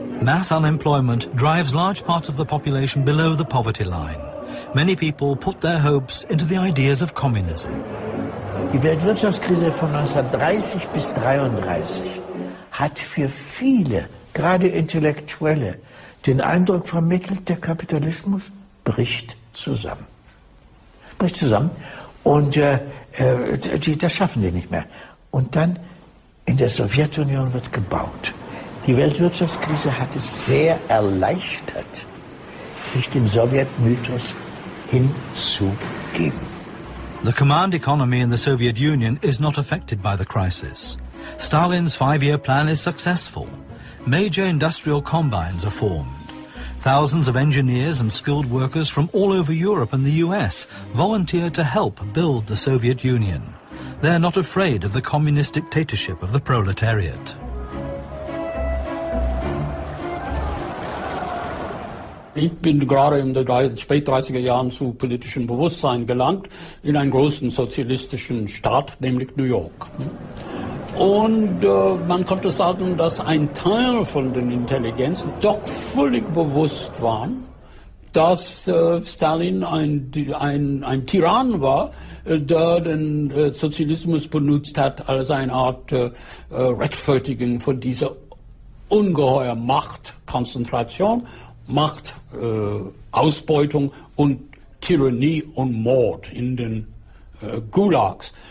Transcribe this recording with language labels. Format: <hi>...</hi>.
<en>Mass unemployment drives large parts of the population below the poverty line. Many people put their hopes into the ideas of communism.</en> <de>Die Weltwirtschaftskrise von 1930 bis 1933 hat für viele, gerade Intellektuelle, den Eindruck vermittelt, der Kapitalismus bricht zusammen. Bricht zusammen. Und das schaffen die nicht mehr. Und dann in der Sowjetunion wird gebaut. Die Weltwirtschaftskrise hat es sehr erleichtert, sich dem Sowjetmythos hinzugeben.</de> <en>The command economy in the Soviet Union is not affected by the crisis. Stalin's five-year plan is successful. Major industrial combines are formed. Thousands of engineers and skilled workers from all over Europe and the US volunteer to help build the Soviet Union. They're not afraid of the communist dictatorship of the proletariat.</en> <de>Ich bin gerade in den spät-30er Jahren zu politischem Bewusstsein gelangt, in einen großen sozialistischen Staat, nämlich New York. Und man konnte sagen, dass ein Teil von den Intelligenzen doch völlig bewusst waren, dass Stalin ein Tyrann war, der den Sozialismus benutzt hat als eine Art Rechtfertigung von dieser ungeheuer Machtkonzentration, Machtausbeutung und Tyrannie und Mord in den Gulags.</de>